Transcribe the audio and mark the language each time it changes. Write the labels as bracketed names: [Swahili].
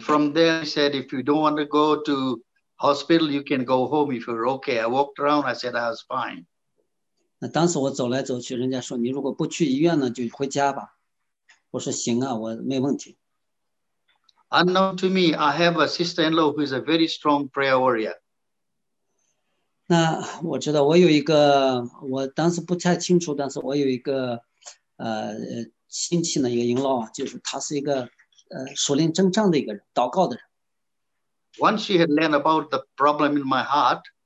[English] from there, he said, if you don't want to go to hospital, you can go home if you're okay. I walked around, I said I was fine. [Chinese] 那当时我走来走去，人家说你如果不去医院呢，就回家吧。我说行啊，我没问题。 [English] Unknown to me, I have a sister-in-law who is a very strong prayer warrior. [Chinese] 那我知道我有一个，我当时不太清楚，但是我有一个亲戚呢，一个银老，就是他是一个属灵征战的一个人，祷告的人。 [English] Once she had learned about the problem in my heart,